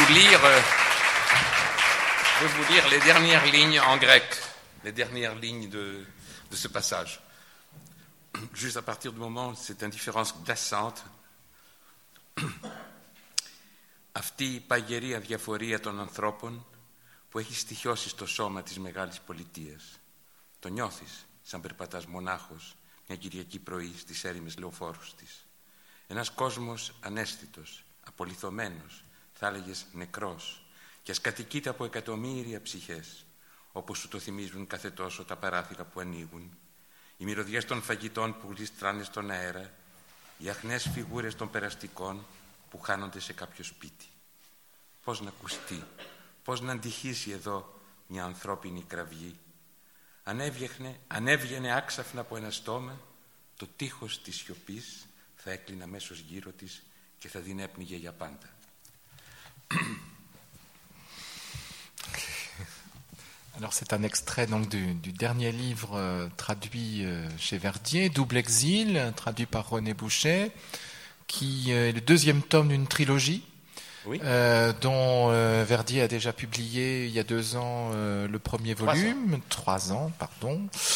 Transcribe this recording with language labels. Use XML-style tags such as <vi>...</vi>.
<fr>Je vais vous lire les dernières lignes en grec, les dernières lignes de ce passage. Juste à partir du moment où cette indifférence glaçante.</fr> <el>Αυτή η παγερή αδιαφορία των ανθρώπων που έχει στοιχειώσει στο σώμα της μεγάλης πολιτείας. Το νιώθεις σαν περπατάς μονάχος μια Κυριακή πρωί στις έρημες λεωφόρους της. Ένας κόσμος ανέσθητος, απολιθωμένος, θα έλεγες νεκρός και ας κατοικείται από εκατομμύρια ψυχές όπως σου το θυμίζουν κάθε τόσο τα παράθυρα που ανοίγουν, οι μυρωδιές των φαγητών που γλιστράνε στον αέρα, οι αχνές φιγούρες των περαστικών που χάνονται σε κάποιο σπίτι. Πώς να ακουστεί, πώς να αντυχήσει εδώ μια ανθρώπινη κραυγή. Αν έβγαινε άξαφνα από ένα στόμα, το τείχος της σιωπής θα έκλεινε αμέσως γύρω της και θα την έπνιγε για πάντα.</el> <fr>Alors c'est un extrait donc du dernier livre traduit chez Verdier, Double Exil, traduit par René Boucher, qui est le deuxième tome d'une trilogie, oui. dont Verdier a déjà publié il y a 2 ans le premier volume, 3 ans. 3 ans, pardon.</fr>